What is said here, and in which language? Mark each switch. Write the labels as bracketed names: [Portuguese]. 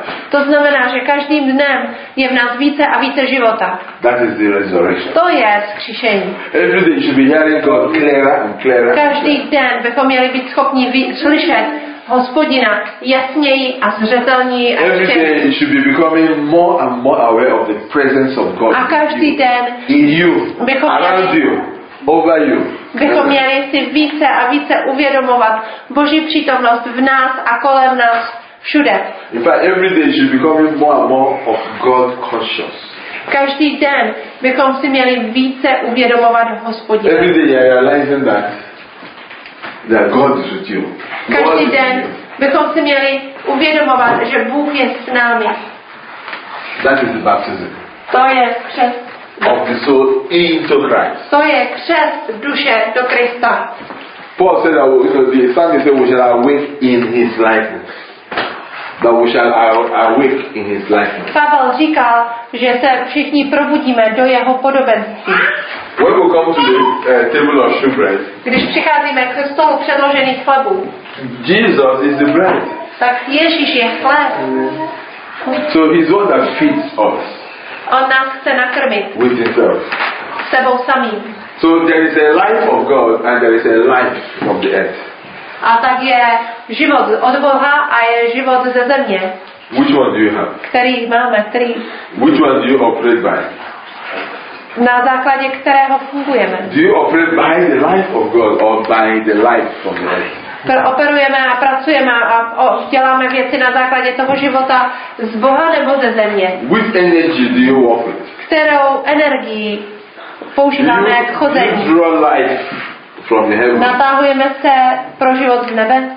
[Czech] To znamená, že každým dnem je v nás více a více života. [English] That is the resurrection. [Czech] To je vzkříšení. [English] Every day should be hearing God clearer and clearer. [Czech] Každý den bychom měli být schopni slyšet Hospodina jasněji a zřetelněji a všechny. [English] Should be becoming more and more aware of the presence of God. [Czech] A každý den [English] in you, around you, over you. [Czech] Bychom měli si více a více uvědomovat Boží přítomnost v nás a kolem nás všude. [English] In fact, every day should be becoming more and more of God conscious. [Czech] Každý den bychom si měli více uvědomovat Hospodina. [English] Every day you are realizing that that God is with you. [Czech] Každý den bychom si měli uvědomovat, že Bůh je s námi. [English] That is the baptism. [Czech] To je křest. [English] Of the soul into Christ. [Czech] To je křest duše do Krista. [English] Paul said that the psalmist said we shall awake in His likeness. That we shall awake in His likeness. [Czech] Pavel říkal, že se všichni probudíme do jeho podobenství. [English] When we come to the table of shewbread. [Czech] Když přicházíme k stolu předložených chlebů. [English] Jesus is the bread. [Czech] Tak Ježíš je chléb. [English] So He's one that feeds us. [Czech] On nás chce nakrmit. [English] With Himself. [Czech] Sebou samým. [English] So there is a life of God and there is a life of the earth. [Czech] A tak je život od Boha a je život ze země. [English] Which one do you have? [Czech] Který máme, který? [English] Which one do you operate by? [Czech] Na základě kterého fungujeme? [English] Do you operate by the life of God or by the life from the earth? [Czech] Operujeme a pracujeme a děláme věci na základě toho života z Boha nebo ze země. [English] Which energy do you work with? [Czech] Kterou energii používáme k chození? [English] Do you draw life from the heaven? [Czech] Natáhujeme se pro život z nebe?